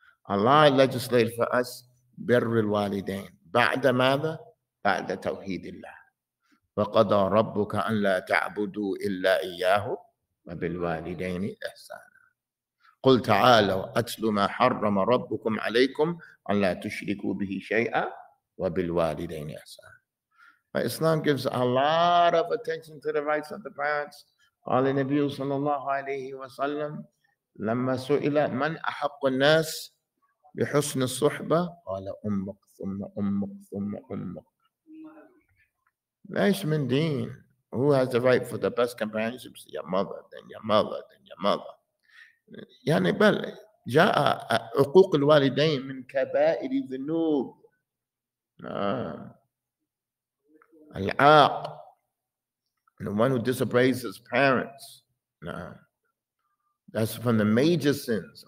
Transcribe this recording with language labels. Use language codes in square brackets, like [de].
[ar] الله [en] legislate for us [ar] بر الوالدين بعد ماذا؟ بعد توحيد الله. وقضى ربك أن لا تعبدوا إلا إياه وبالوالدين إحسانا. قل تعالوا أتل ما حرم ربكم عليكم أن لا تشركوا به شيئا وبالوالدين إحسانا. ما [en] Islam gives a lot of attention to the rights of the parents. [ar] قال النبي صلى الله عليه وسلم لما سئل من أحق الناس بحسن الصحبة قال أمك ثم أمك ثم أمك. ليش من دين؟ [en] Who has the right for the best companionship? Your mother, then your mother, then your mother. [ar] يعني بل جاء عقوق الوالدين من كبائر الذنوب. العاق. [en] The one who disobeys his parents. That's from the major sins.